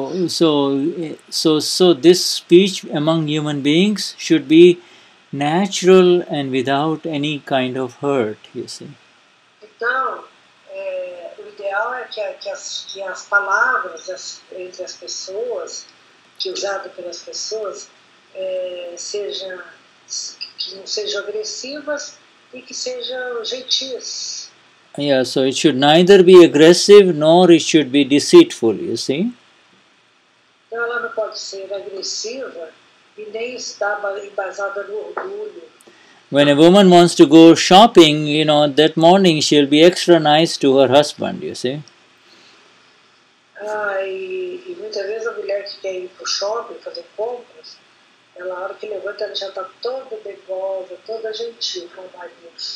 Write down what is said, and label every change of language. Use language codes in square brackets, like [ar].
[en] So this speech among human beings should be natural and without any kind of hurt, you see. [pt] Então, o ideal é que as palavras entre as pessoas, que usado pelas pessoas, que não sejam agressivas e que sejam gentis. [en] Yeah, so it should neither be aggressive nor it should be deceitful, you see. [pt] Então ela não pode ser agressiva e nem estar embasada no orgulho. [en] When a woman wants to go shopping, you know, that morning she'll be extra nice to her husband, you see. [pt] E muitas vezes a mulher que quer ir pro shopping fazer compras, ela, a hora que levanta, ela já está toda devolta, toda gentil com o marido.